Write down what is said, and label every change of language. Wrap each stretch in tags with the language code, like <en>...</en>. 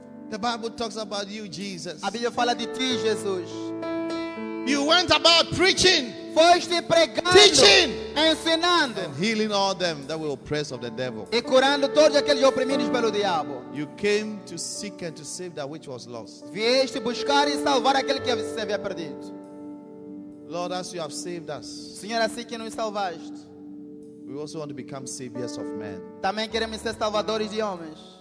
<en>The Bible talks about you, Jesus.</en> <pt>A Bíblia fala de ti, Jesus.</pt> <en>You went about preaching.</en> <pt>Foste pregando.</pt> <en>Teaching.</en> <pt>Ensinando.</pt> <en>And healing all them that were oppressed of the devil.</en> <pt>E curando todos aqueles oprimidos pelo diabo.</pt> <en>You came to seek and to save that which was lost.</en> <pt>Vieste buscar e salvar aquele que se havia perdido.</pt> <en>Lord, as you have saved us,</en> <pt>Senhor, assim que nos salvaste,</pt> <en>we also want to become saviors of men.</en> <pt>Também queremos ser salvadores de homens.</pt>